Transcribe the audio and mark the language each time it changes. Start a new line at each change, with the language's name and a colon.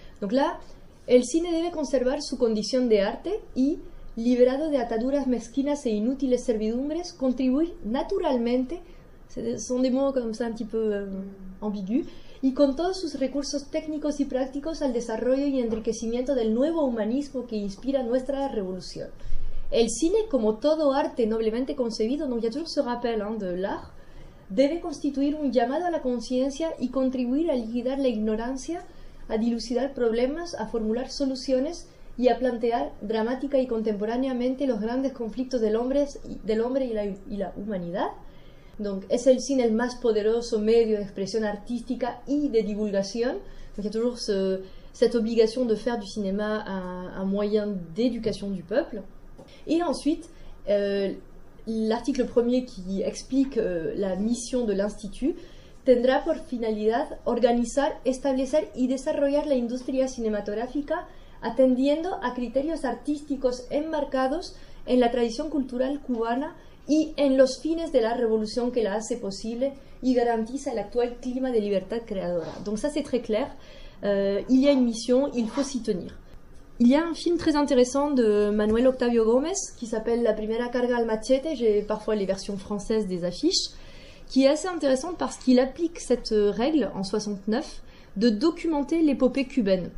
French: Donc là,
Spanish: el cine debe conservar su condición de arte y, liberado de ataduras mezquinas e inútiles servidumbres, contribuir naturalmente.
French: Ce sont des mots comme ça un petit peu ambigus.
Spanish: Y con todos sus recursos técnicos y prácticos al desarrollo y enriquecimiento del nuevo humanismo que inspira nuestra revolución. El cine, como todo arte noblemente concebido,
French: donc il y a toujours ce rappel de l'art,
Spanish: debe constituir un llamado a la conciencia y contribuir a liquidar la ignorancia, a dilucidar problemas, a formular soluciones y a plantear dramática y contemporáneamente los grandes conflictos del hombre y la humanidad. Donc, es el cine el más poderoso medio de expresión artística y de divulgación.
French: Donc, il y a toujours cette obligation de faire du cinéma un moyen d'éducation du peuple. Et ensuite, l'article premier qui explique la mission de l'Institut
Spanish: tendrá por finalidad organizar, establecer y desarrollar la industria cinematográfica atendiendo a criterios artísticos enmarcados en la tradición cultural cubana y en los fines de la revolución que la hace posible y garantiza el actual clima de libertad creadora.
French: Donc ça c'est très clair, il y a une mission, il faut s'y tenir. Il y a un film très intéressant de Manuel Octavio Gómez qui s'appelle La primera carga al machete, j'ai parfois les versions françaises des affiches, qui est assez intéressante parce qu'il applique cette règle en 69 de documenter l'épopée cubaine.